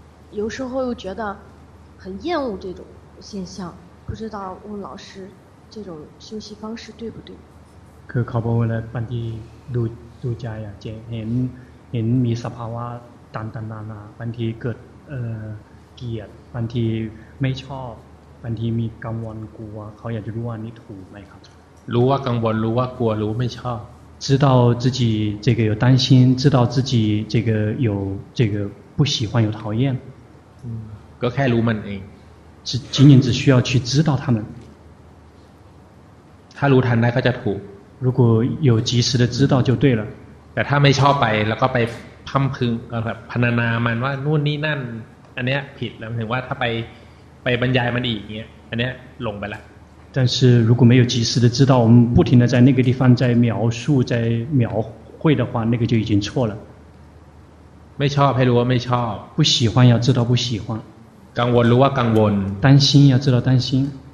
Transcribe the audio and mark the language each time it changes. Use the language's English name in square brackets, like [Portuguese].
[Chinese] 有时候又觉得很厌恶这种现象不知道问老师这种休息方式对不对 [Thai] คือเขาบอกว่าบางทีดูใจอ่ะเจ็บเห็นมีสภาวะต่างๆนานาบางทีเกิดเกลียดบางทีไม่ชอบบางทีมีกังวลกลัวเขาอยากจะรู้ว่านี่ถูกไหมครับ รู้ว่ากังวลรู้ว่ากลัวรู้ไม่ชอบ [Chinese] 知道自己这个有担心知道自己这个有这个不喜欢有讨厌 [Thai] ก็แค่รู้มันเอง [Chinese] 仅仅需要去知道他们 [Thai] ถ้ารู้ทันได้ก็จะถูก [Chinese] 如果有及时的知道就对了 [Thai] แต่ถ้าไม่ชอบไปแล้วก็ไปพั่มพึงแบบพรรณนามันว่านู่นนี่นั่นอันเนี้ยผิดแล้วถึงว่าถ้าไปบรรยายมันอีกเงี้ยอันเนี้ยหลงไปละ [Chinese] 但是如果没有及时的知道我们不停的在那个地方在描述在描绘的话那个就已经错了 [Thai] ไม่ชอบให้รู้ว่าไม่ชอบ [Chinese] 不喜欢要知道不喜欢 [Thai] กังวลรู้ว่ากังวล [Chinese] 担心要知道担心